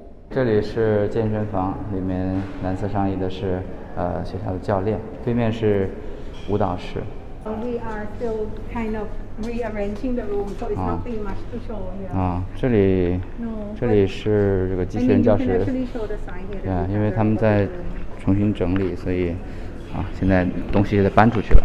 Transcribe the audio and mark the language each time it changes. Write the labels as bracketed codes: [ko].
[zh] 这里是健身房，里面蓝色上衣的是学校的教练，对面是舞蹈室。 [en] We are still kind of rearranging the room, so it's nothing much to show here. [zh] 这里是这个机器人教室。因为他们在重新整理，所以现在东西也搬出去了。